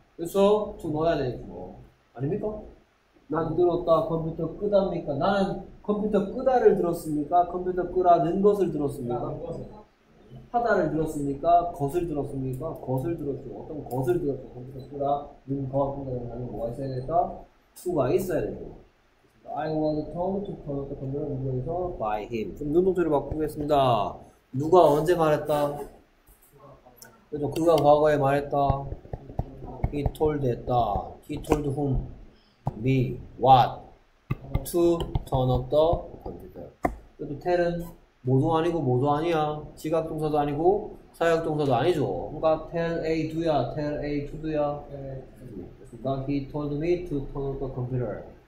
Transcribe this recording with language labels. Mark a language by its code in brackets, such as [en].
[ko] 그래서 좀 넣어야 되지 뭐. 아닙니까? 난 들었다. 컴퓨터 끄답니까? 나는 컴퓨터 끄다를 들었습니까? 컴퓨터 끄라 는 것을 들었습니까? 하다를 들었습니까? 것을 들었습니까? 것을 들었죠. 어떤 것을 들었죠. 컴퓨터 끄라 는 것을. 나는 뭐가 있어야 되겠다? To가 있어야 되죠. [en] I was told to turn off the computer [ko] 누구에서? [en] By him. [ko] 그럼 능동태를 바꾸겠습니다. 누가 언제 말했다? 그래도 그가 과거에 말했다. [en] He told [ko] 했다. [en] He told whom? Me. What? To turn off the computer. [ko] 그래도 tell은 뭐도 아니고 뭐도 아니야. 지각동사도 아니고 사역동사도 아니죠. 그러니까 tell A do야. Tell A to do야. 그러니까 [en] he told me to turn off the computer.